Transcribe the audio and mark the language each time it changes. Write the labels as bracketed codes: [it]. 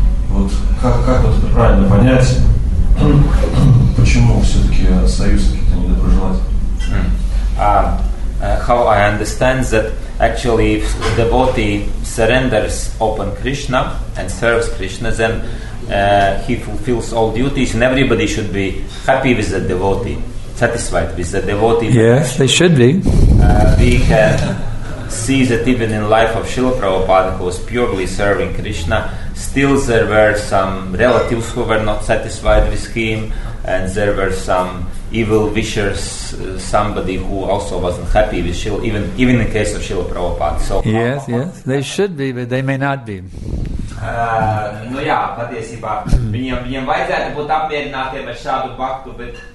[ru] Вот как вот это правильно понять, почему все-таки остаются какие-то недоброжелатели? [en] How I understand that actually if the devotee surrenders open Krishna and serves Krishna, then he fulfills all duties and everybody should be happy with the devotee, satisfied with the devotee. Yes, they should be. We can see that even in life of Srila Prabhupada, who was purely serving Krishna, still there were some relatives who were not satisfied with him, and there were some evil wishers, somebody who also wasn't happy with Srila, even in the case of Srila Prabhupada. So yes, yes, they should be, but they may not be. [lv] Patiesībā, viņiem vajadzētu būt apmierinātiem ar šādu baktu, bet